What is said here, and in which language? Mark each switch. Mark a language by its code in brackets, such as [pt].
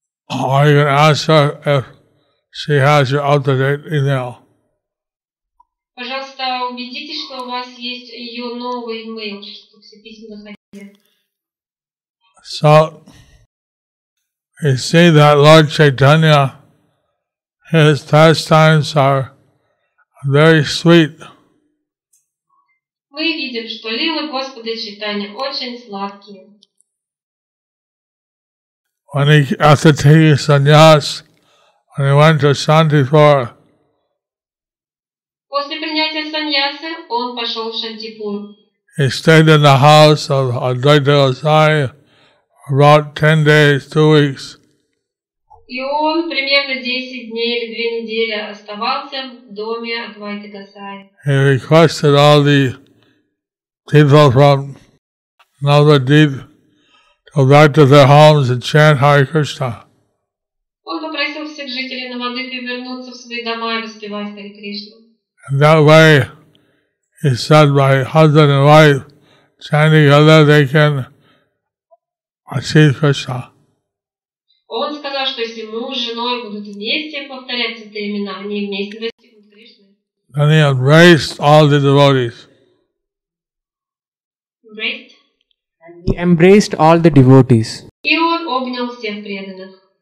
[en] Are you going to ask her if she has your up-to-date email? [ru] Пожалуйста, убедитесь, что у вас есть ее новый email, чтобы все письма находили. [en] So, You see that Lord Chaitanya, his pastimes are very sweet. [ru] Мы видим, что лилы Господа Чайтаньи очень сладкие. [en] When he after taking sannyas, when he went to Shantipur. [ru] После принятия саньясы он пошел в Шантипур. [en] He stayed in the house of Advaita Gosai about 10 days, 2 weeks. [ru] И он примерно 10 дней или 2 недели оставался в доме Адвайты Гасай. [en] He requested all the people from Navadvip go back to their homes and chant Hare Krishna. [ru] Он попросил всех жителей Навадвипа вернуться в свои дома и воспевать Hare Krishna. [en] And that way, he said, by husband and wife chanting together, they can achieve Krishna. [ru] Он сказал, что если муж с женой будут вместе повторять эти имена, они вместе достигнут Кришны. [en] Then he embraced all the devotees. And he embraced all the devotees. [ru] И он обнял всех преданных.